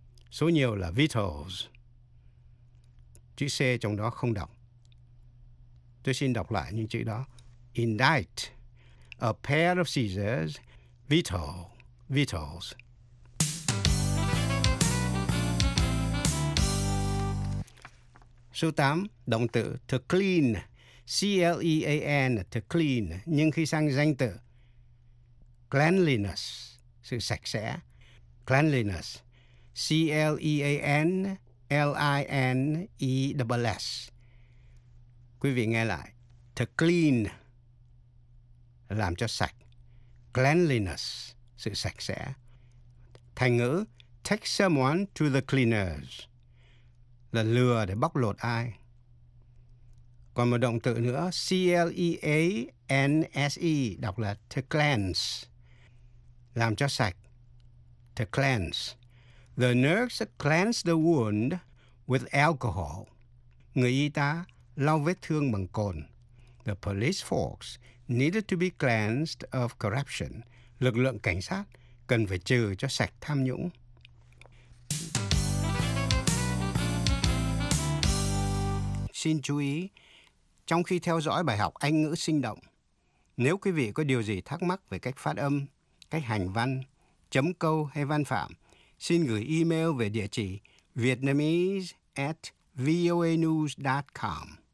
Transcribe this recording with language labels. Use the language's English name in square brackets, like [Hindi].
[Vietnamese] Số nhiều là vitals. Chữ C trong đó không đọc. Tôi xin đọc lại những chữ đó. [English] Indict, a pair of scissors, vital, vitals. [Vietnamese] Số 8, động từ to clean, C-L-E-A-N, to clean. Nhưng khi sang danh từ cleanliness, sự sạch sẽ, cleanliness, C-L-E-A-N-L-I-N-E-S-S. Quý vị nghe lại. To clean, làm cho sạch. Cleanliness, sự sạch sẽ. Thành ngữ, [English] take someone to the cleaners, [Vietnamese] là lừa để bóc lột ai. Còn một động từ nữa, C-L-E-A-N-S-E, đọc là to cleanse, làm cho sạch. [English] To cleanse. The nurse cleansed the wound with alcohol. [Vietnamese] Người y tá lau vết thương bằng cồn. [English] The police force needed to be cleansed of corruption. [Vietnamese] Lực lượng cảnh sát cần phải trừ cho sạch tham nhũng. Xin chú ý, trong khi theo dõi bài học Anh ngữ sinh động, nếu quý vị có điều gì thắc mắc về cách phát âm, cách hành văn, chấm câu hay văn phạm, xin gửi email về địa chỉ vietnamese@voanews.com.